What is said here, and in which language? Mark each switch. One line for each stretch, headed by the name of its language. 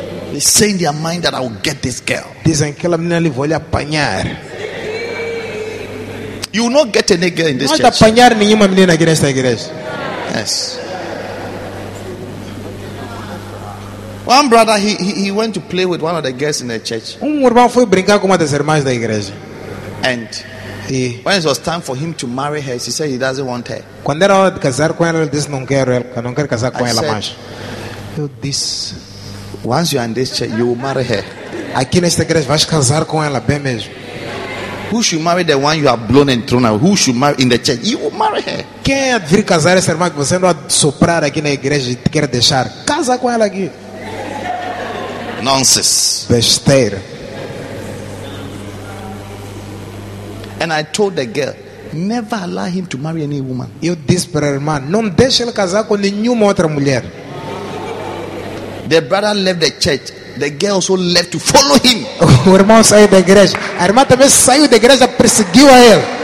English: They say in their mind that I will get this girl.
Portuguese: Dizem que aquela menina ali vou lhe apanhar.
English: You will not get any girl in this church.
Portuguese: Não vai apanhar nenhuma menina aqui nesta igreja.
English: Yes. One brother he went to play with one of the girls in the church.
Portuguese: Irmão foi brincar com uma das irmãs da igreja.
English: And when it was time for him to marry her, she said he doesn't want her.
Portuguese: Quando era hora de casar com ela, ele disse não quero casar com ela mais. Eu disse,
English: once you are in this church, you will marry her.
Portuguese: Aqui nesta igreja vais casar com ela bem mesmo.
English: Who should marry the one you have blown and thrown out? Who should marry in the church? You will marry her.
Portuguese: Quem é vir casar essa irmã que você não vai soprar aqui na igreja e quer deixar? Casa com ela aqui.
English: Nonsense.
Portuguese: Besteira.
English: And I told the girl, never allow him to marry any woman.
Portuguese: Eu disse para a irmã, não deixe ele casar com nenhuma outra mulher.
English: The brother left the church. The girl also left to follow him.
Portuguese: O irmão saiu da igreja. A irmã também saiu da igreja, perseguiu a ele.